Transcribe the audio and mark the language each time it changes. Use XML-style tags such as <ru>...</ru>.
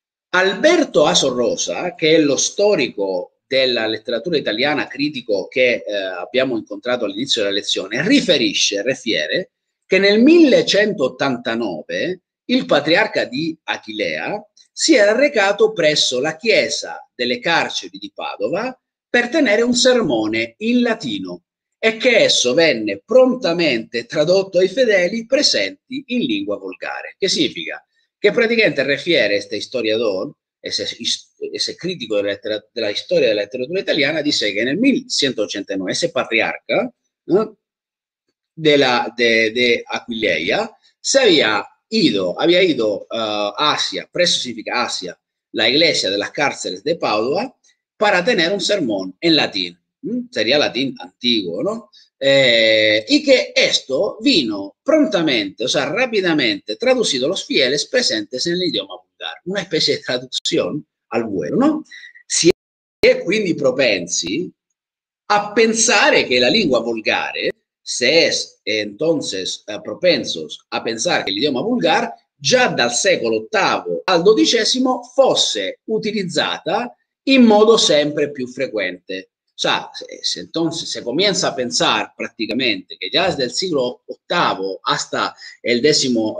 <it>Alberto Asorrosa, che è lo storico della letteratura italiana critico che abbiamo incontrato all'inizio della lezione, riferisce che nel 1189 il patriarca di Aquileia si era recato presso la chiesa delle carceri di Padova per tenere un sermone in latino e che esso venne prontamente tradotto ai fedeli presenti in lingua volgare. Che significa? Che praticamente</it> <es>refiere este historiador, ese crítico de la historia de la literatura italiana, dice que en el 1189 ese patriarca, ¿no?, de Aquileia se había ido a Asia, preso significa Asia, la iglesia de las cárceles de Padua, para tener un sermón en latín, sería latín antiguo, ¿no? Y que esto vino prontamente, o sea, rápidamente, traducido a los fieles presentes en el idioma vulgar, una especie de traducción al vuelo, ¿no?</es> <it>Si è quindi propensi a pensare che la lingua volgare,</it> <es>se es entonces propensos</es> <it>a pensare che l'idioma vulgar già dal secolo VIII al XII fosse utilizzata in modo sempre più frequente.</it> <es>O sea, entonces se comienza a pensar prácticamente que ya desde el siglo VIII hasta el XII</es>